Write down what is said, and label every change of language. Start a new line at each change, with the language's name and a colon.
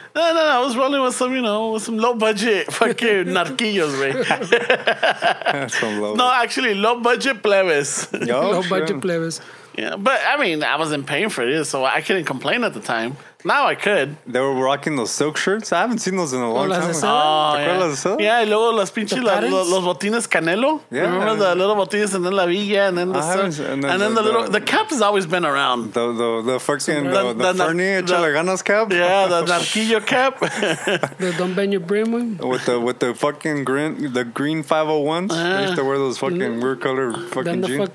English: No, I was rolling with some, you know, with some low budget fucking narquillos, güey. No, actually, low budget plebes. Yo, low sure. budget plebes. Yeah, but I mean, I wasn't paying for it, so I couldn't complain at the time. Now I could. They were rocking those silk shirts. I haven't seen those in a long time.
Spanish: Yeah, y luego las pinches, los botines canelo.
English: Yeah. Remember the little botines and then la villa and then the silk. And then the cap has always been around. The fucking, the Fernie Chalaganas cap. Yeah, the Narquillo cap. The Don Benio brim one. With the fucking green, the green 501s. Yeah. They used to wear those fucking weird color fucking jeans.